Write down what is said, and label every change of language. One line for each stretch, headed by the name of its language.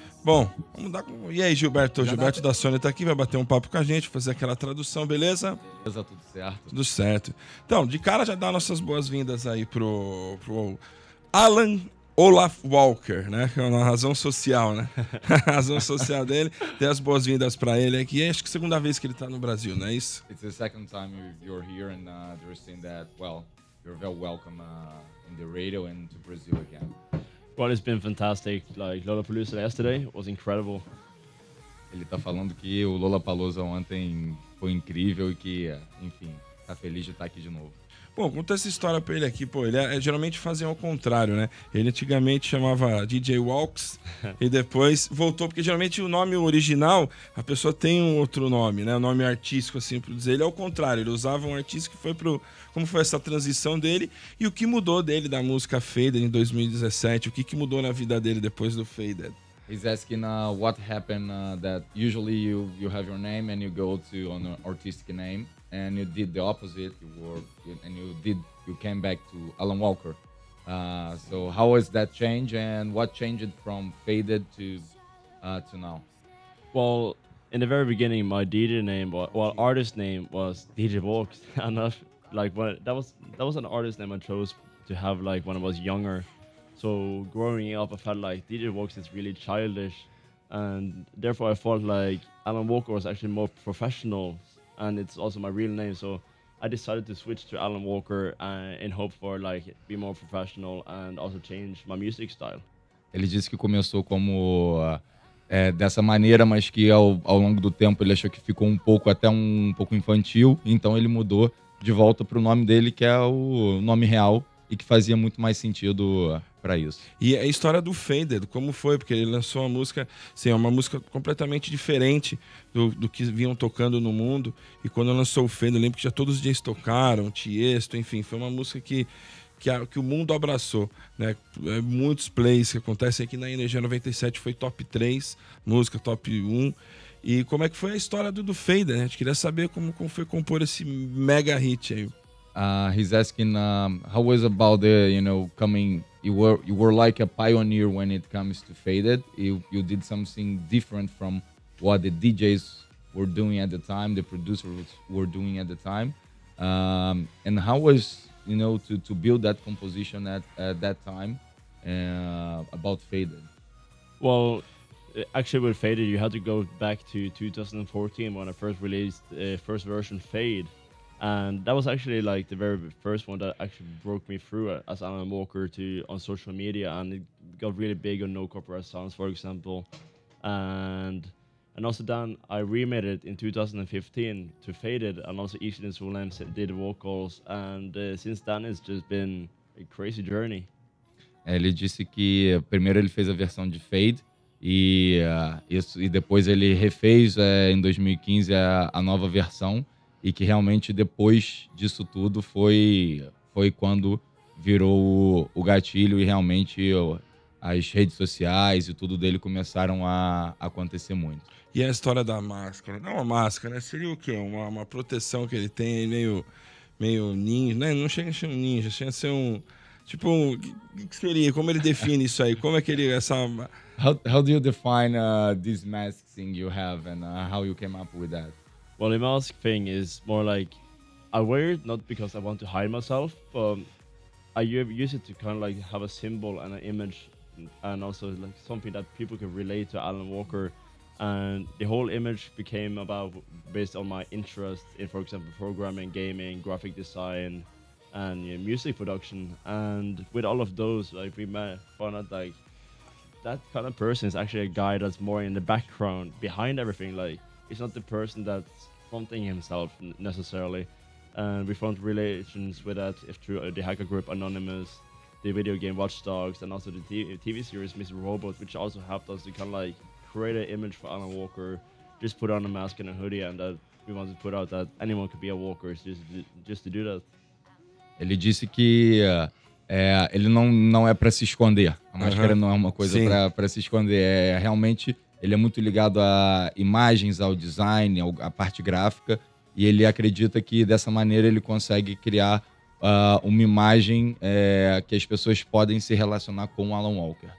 Portuguese: Bom, vamos dar com... E aí, Gilberto? Já Gilberto da Sony tá aqui, vai bater um papo com a gente, fazer aquela tradução, beleza? Beleza, tudo certo. Tudo certo. Então, de cara já dá nossas boas-vindas aí pro Alan Olaf Walker, né? Que é uma razão social, né? A razão social dele. Dê as boas-vindas para ele aqui. Acho que é a segunda vez que ele tá no Brasil, não é isso?
English: It's the second time you're here and they're saying that, well, you're very welcome in the radio and to Brazil again. Well, it's been fantastic. Like, Lollapalooza yesterday was incredible.
Portuguese: Ele tá falando que o Lollapalooza ontem foi incrível e que, enfim, tá feliz de estar aqui de novo. Bom, conta essa história pra ele aqui, pô. Ele geralmente fazia ao contrário, né? Ele antigamente chamava DJ Walks e depois voltou, porque geralmente o nome original, a pessoa tem um outro nome, né? O nome artístico, assim, por dizer. Ele é o contrário, ele usava um artista que foi pro... Como foi essa transição dele e o que mudou dele da música Faded em 2017? O que, que mudou na vida dele depois do Faded?
English: He's asking what happened that usually you have your name and you go to an artistic name. And you did the opposite, you came back to Alan Walker. So how was that change and what changed from Faded to now? Well, in the very beginning, my DJ name, well, artist name was DJ Walks. And that was an artist name I chose to have like when I was younger. So growing up, I felt like DJ Walks is really childish. And therefore I felt like Alan Walker was actually more professional. And it's also my real name, so I decided to switch to Alan Walker in hope for like be more professional and also change my music style.
Portuguese: Ele disse que começou como dessa maneira, mas que ao longo do tempo ele achou que ficou um pouco até um pouco infantil, então ele mudou de volta pro nome dele, que é o nome real e que fazia muito mais sentido para isso. E a história do Faded, como foi? Porque ele lançou uma música, assim, uma música completamente diferente do que vinham tocando no mundo. E quando lançou o Faded, eu lembro que já todos os dias tocaram, Tiesto, enfim. Foi uma música que o mundo abraçou, né? Muitos plays que acontecem aqui na Energia 97, foi top 3, música top 1. E como é que foi a história do Faded, né? A gente queria saber como foi compor esse mega hit aí.
English: He's asking how was about the coming. You were like a pioneer when it comes to Faded. You did something different from what the DJs were doing at the time, the producers were doing at the time. And how was to build that composition at that time about Faded? Well, actually, with Faded, you had to go back to 2014 when I first released the first version, Fade. And that was actually like the very first one that actually broke me through as Alan Walker on social media, and it got really big on No Corporate Sounds, for example. And also then I remade it in 2015 to Faded, and also Ethan Swollen did vocals, and since then it's just been a crazy journey.
Portuguese: Ele disse que primeiro ele fez a versão de Fade, E depois ele refez em 2015 a nova versão, e que realmente depois disso tudo foi quando virou o gatilho e realmente as redes sociais e tudo dele começaram a acontecer muito. E a história da máscara? Não, a máscara, né? Seria o quê? Uma proteção que ele tem meio ninja, né? Não chega a ser um ninja, chega a ser um... Tipo, o que seria? Como ele define isso aí? Como é que ele... Essa...
English: How do you define this mask thing you have and how you came up with that? Well, the mask thing is more like, I wear it not because I want to hide myself, but I use it to kind of like have a symbol and an image and also like something that people can relate to Alan Walker. And the whole image became about based on my interest in, for example, programming, gaming, graphic design, and you know, music production. And with all of those, like we found out like that kind of person is actually a guy that's more in the background behind everything. Like it's not the person that's fronting himself necessarily. And we found relations with that if through the hacker group Anonymous, the video game Watch Dogs, and also the TV series Mr. Robot, which also helped us to kind of like create an image for Alan Walker, just put on a mask and a hoodie, and that we wanted to put out that anyone could be a Walker, just to do that.
Portuguese: Ele disse que ele não é para se esconder. A máscara não é uma coisa para se esconder. É, realmente, ele é muito ligado a imagens, ao design, à parte gráfica. E ele acredita que, dessa maneira, ele consegue criar uma imagem que as pessoas podem se relacionar com o Alan Walker.